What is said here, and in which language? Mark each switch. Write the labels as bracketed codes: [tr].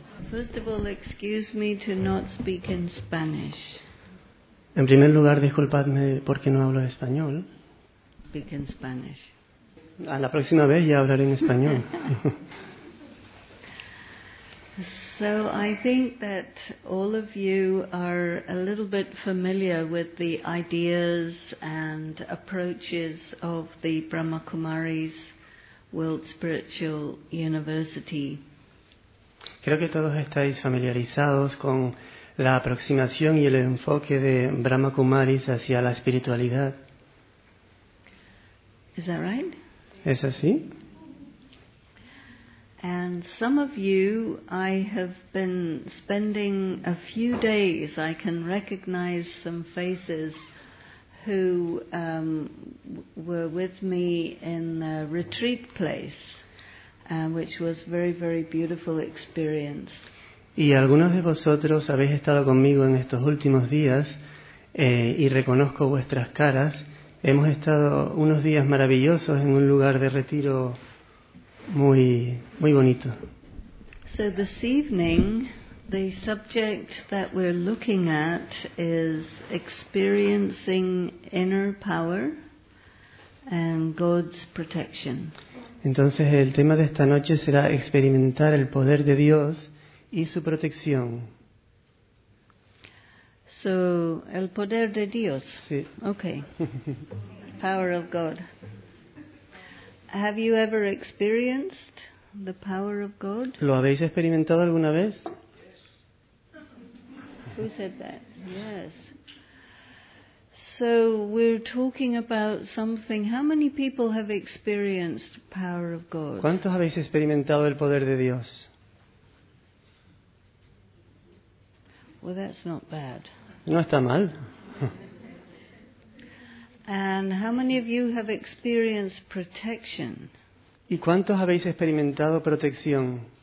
[en] First of all, excuse me to not speak in Spanish. [es] En primer lugar, disculpadme porque no hablo español. [en] Speak in Spanish. [es] A la próxima vez ya hablaré en español. [en] So I think that all of you are a little bit familiar with the ideas and approaches of the Brahma Kumaris World Spiritual University. [es] Creo que todos estáis familiarizados con la aproximación y el enfoque de Brahma Kumaris hacia la espiritualidad. [en] Is that right? [es] ¿Es así? [en] And some of you, I have been spending a few days, I can recognize some faces who were with me in a retreat place, which was very, very beautiful experience. [es] Y algunos de vosotros habéis estado conmigo en estos últimos días, y reconozco vuestras caras. Hemos estado unos días maravillosos en un lugar de retiro muy, muy bonito. [en] So this evening, the subject that we're looking at is experiencing inner power and God's protection. [es] Entonces, el tema de esta noche será experimentar el poder de Dios y su protección. So, el poder de Dios. Sí. [en] Okay. Power of God. Have you ever experienced the power of God? [es] ¿Lo habéis experimentado alguna vez? [en] Who said that? Yes. So we're talking about something. How many people have experienced power of God? [es] ¿Cuántos habéis experimentado el poder de Dios? [en] Well, that's not bad. [es] No está mal. [en] And how many of you have experienced protection? [es] ¿Y cuántos habéis experimentado protección?